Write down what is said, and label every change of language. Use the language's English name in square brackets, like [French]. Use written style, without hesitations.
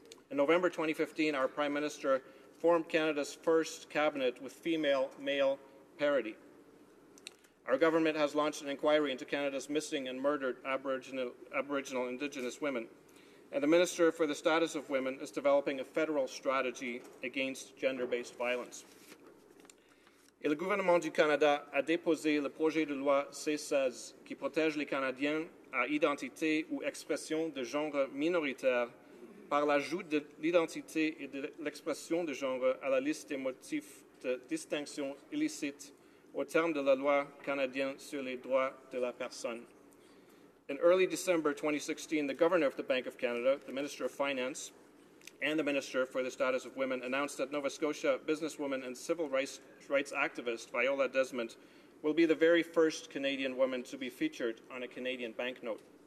[English] In November 2015, our Prime Minister formed Canada's first cabinet with female-male parity. Our government has launched an inquiry into Canada's missing and murdered Aboriginal Indigenous women, and the Minister for the Status of Women is developing a federal strategy against gender-based violence. [French] Et le gouvernement du Canada a déposé le projet de loi C-16 qui protège les Canadiens à identité ou expression de genre minoritaire par l'ajout de l'identité et de l'expression de genre à la liste des motifs de distinction illicite au terme de la loi canadienne sur les droits de la personne. [English] In early December 2016, the Governor of the Bank of Canada, the Minister of Finance, and the Minister for the Status of Women announced that Nova Scotia businesswoman and civil rights activist Viola Desmond will be the very first Canadian woman to be featured on a Canadian banknote.